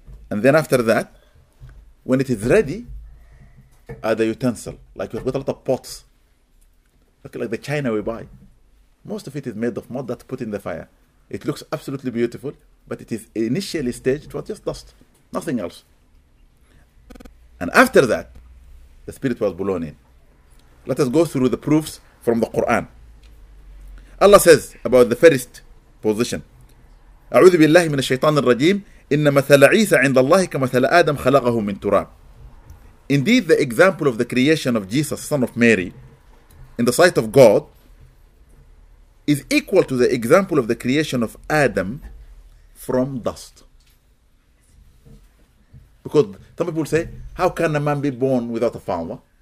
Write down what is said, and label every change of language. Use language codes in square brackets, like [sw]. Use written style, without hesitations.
[en] And then after that, when it is ready, are the utensil, like with a lot of pots, okay, like the china we buy. Most of it is made of mud that's put in the fire. It looks absolutely beautiful, but it is initially staged, it was just dust, nothing else. And after that, the spirit was blown in. Let us go through the proofs from the Quran. Allah says about the first position, [ar] أعوذ بالله من الشيطان الرجيم إن مثل عيسى عند الله كمثل آدم خلقه من تراب. [en] Indeed, the example of the creation of Jesus, son of Mary, in the sight of God, is equal to the example of the creation of Adam from dust. Because some people say, how can a man be born without a father?